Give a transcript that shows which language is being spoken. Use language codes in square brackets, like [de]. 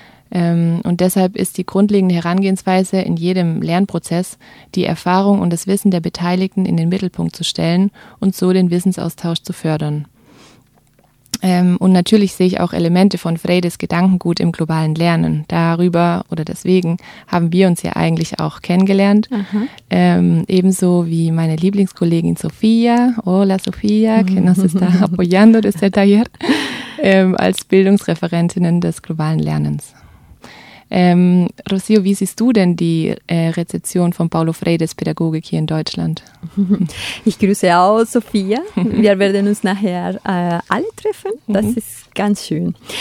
[de] Und deshalb ist die grundlegende Herangehensweise in jedem Lernprozess, die Erfahrung und das Wissen der Beteiligten in den Mittelpunkt zu stellen und so den Wissensaustausch zu fördern. Und natürlich sehe ich auch Elemente von Freires Gedankengut im globalen Lernen. Darüber oder deswegen haben wir uns ja eigentlich auch kennengelernt. Ebenso wie meine Lieblingskollegin Sofia. [es] Hola Sofia, que nos está apoyando desde taller. [de] Als Bildungsreferentinnen des globalen Lernens. Rocío, wie siehst du denn die Rezeption von Paulo Freires Pädagogik hier in Deutschland? Ich grüße auch Sofia. Wir werden uns nachher alle treffen. Das ist ganz schön.